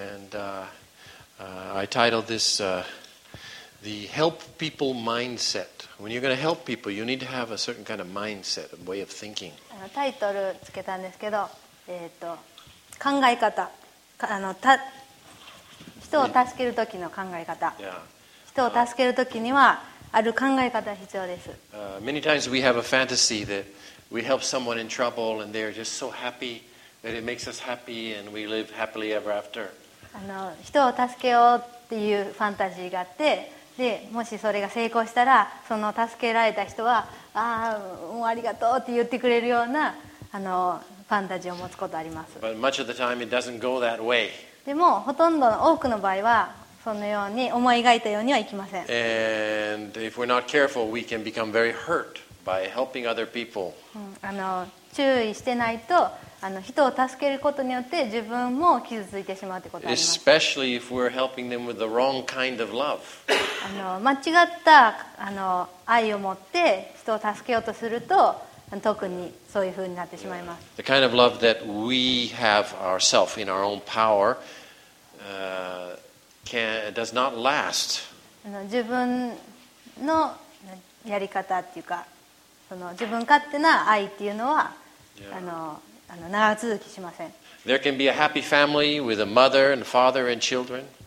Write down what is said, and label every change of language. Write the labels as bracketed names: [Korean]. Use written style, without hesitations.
[English] And I titled this the help people mindset. When you're going to help people, you need to have a certain kind of mindset, a way of thinking. [Japanese] タイトルつけたんですけど、考え方、人を助ける時の考え方。 [English] Yeah. [Japanese] 人を助ける時にはある考え方が必要です。 [English] Many times we have a fantasy that we help someone in trouble and they're just so happy. That it makes us happy and we live happily ever after. [Japanese] 人を助けようっていうファンタジーがあって、でもしそれが成功したら、その助けられた人は、ああ、もうありがとうって言ってくれるようなファンタジーを持つことあります。 [English] But much of the time it doesn't go that way. [Japanese] でもほとんどの多くの場合はそのように思い描いたようにはいきません。 [English] And if we're not careful, we can become very hurt by helping other people. [Japanese] 注意してないと。人を助けることによって自分も傷ついてしまうということがあります。 [English] Especially if we're helping them with the wrong kind of love. [Japanese] 間違った愛を持って人を助けようとすると、特にそういうふうになってしまいます。 [English] The kind of love that we have ourselves in our own power does not last. [Japanese] 自分のやり方っていうか、その自分勝手な愛っていうのは、長続きしません。 [English] There can be a happy family with a mother and father and children.